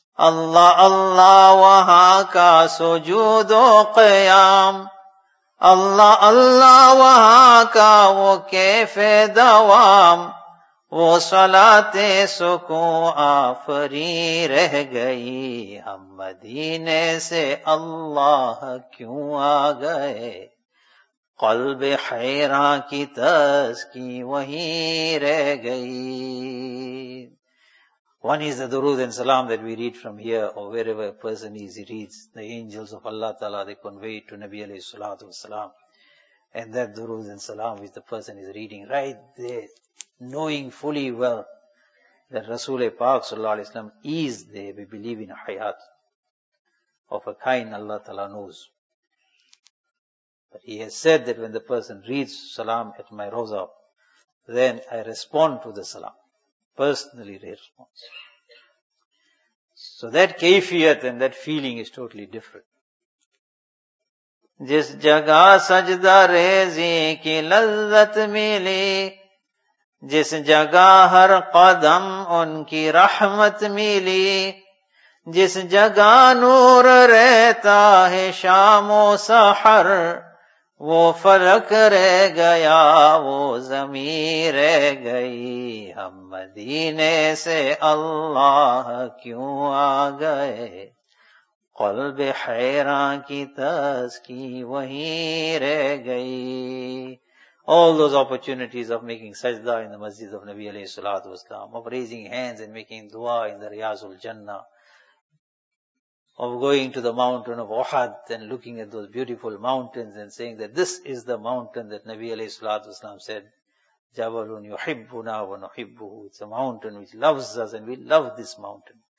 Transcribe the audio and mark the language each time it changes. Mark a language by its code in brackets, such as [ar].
[ur] اللہ اللہ وہاں کا سجود و قیام, اللہ اللہ وہاں کا وہ کیف دوام, وہ صلاتِ سکون آفری رہ گئی. ہم مدینے سے اللہ کیوں آ گئے, قلب حیران کی تسکی وہیں رہ گئی. [en] One is the durood and salaam that we read from here or wherever a person is, he reads the angels of Allah Ta'ala, they convey to Nabi alayhi salatu wasalam, and that durood and salaam which the person is reading right there, knowing fully well that Rasool-e Paak sallallahu alayhi wa sallam is there, we believe in a hayat of a kind Allah Ta'ala knows. But he has said that when the person reads salam at my roza, then I respond to the salam, personally response. So that kayfiyat and that feeling is totally different. [ur] Jis jaga sajda rezi ki lazzat mili, جس جگہ ہر قدم ان کی رحمت ملی, جس جگہ نور رہتا ہے شام و سحر, وہ فلک رہ گیا وہ زمین رہ گئی. ہم مدینے سے اللہ کیوں آ گئے, قلب حیران کی تسکی وہیں رہ گئی. [en] All those opportunities of making sajda in the masjid of Nabi alayhi salatu wasalam, of raising hands and making dua in the Riyazul Jannah, of going to the mountain of Uhud and looking at those beautiful mountains and saying that this is the mountain that Nabi alayhi salatu wasalam said, [ar] Jabalun yuhibbuna wa nuhibbuhu, [en] it's a mountain which loves us and we love this mountain.